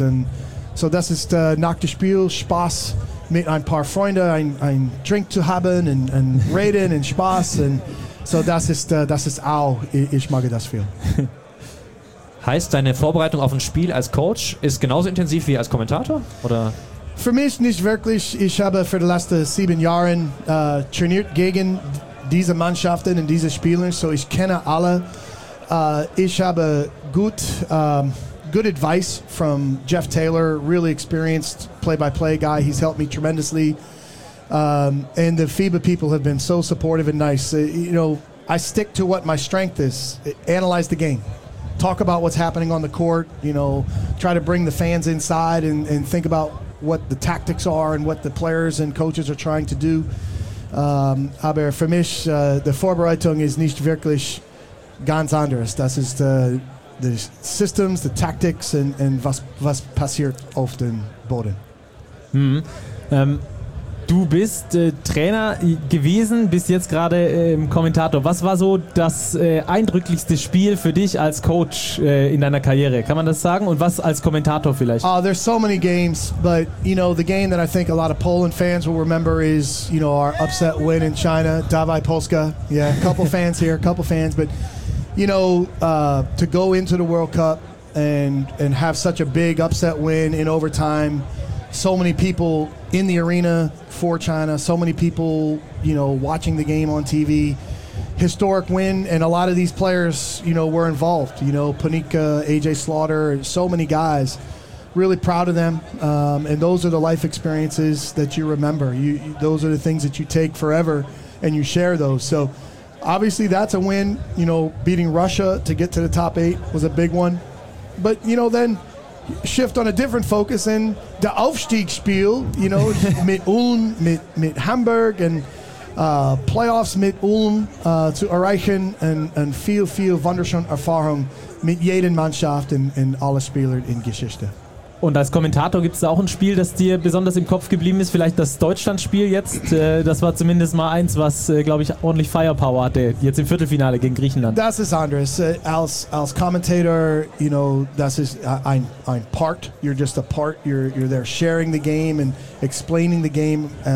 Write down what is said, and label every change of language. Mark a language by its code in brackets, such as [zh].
[de] Und so, das ist nach dem Spiel Spaß. Mit ein paar Freunde ein Drink zu haben und reden und Spaß und so das ist auch ich mag das viel. Heißt deine Vorbereitung auf ein Spiel als Coach ist genauso intensiv wie als Kommentator oder? Für mich nicht wirklich. Ich habe für die letzten 7 Jahre trainiert gegen diese Mannschaften und diese Spieler, so ich kenne alle. Ich habe [en] good advice from Jeff Taylor, really experienced play-by-play guy. He's helped me tremendously. And the FIBA people have been so supportive and nice. You know, I stick to what my strength is. Analyze the game. Talk about what's happening on the court. You know, try to bring the fans inside and think about what the tactics are and what the players and coaches are trying to do. [de] Aber für mich, die Vorbereitung ist nicht wirklich ganz anders. Das ist [en] the systems, the tactics and [de] was passiert auf dem Boden. Mm-hmm. Du bist Trainer gewesen, bist jetzt gerade Kommentator. Was war so das eindrücklichste Spiel für dich als Coach in deiner Karriere? Kann man das sagen? Und was als Kommentator vielleicht? [en] Oh, there's so many games, but you know, the game that I think a lot of Poland fans will remember is, you know, our upset win in China, [pl] Dawaj Polska. [en] Yeah, a couple fans here, a couple fans, but you know, to go into the World Cup and have such a big upset win in overtime. So many people in the arena for China, so many people, you know, watching the game on TV. Historic win, and a lot of these players, you know, were involved. You know, Panika, AJ Slaughter, so many guys. Really proud of them. And those are the life experiences that you remember. Those are the things that you take forever, and you share those. So, obviously, that's a win. You know, beating Russia to get to the top 8 was a big one. But, you know, then shift on a different focus in the [de] Aufstiegsspiel, you know, mit Ulm, mit Hamburg [en] and playoffs [de] mit Ulm zu erreichen and viel, viel wunderschöne Erfahrung mit jeder Mannschaft in alle Spieler in Geschichte. Und als Kommentator gibt es da auch ein Spiel, das dir besonders im Kopf geblieben ist, vielleicht das Deutschlandspiel jetzt. Das war zumindest mal eins, was, glaube ich, ordentlich Firepower hatte, jetzt im Viertelfinale gegen Griechenland. Das ist anders. Als Kommentator, [en] you know, [de] das ist ein Part. [en] You're just a part. You're there sharing the game and explaining the game.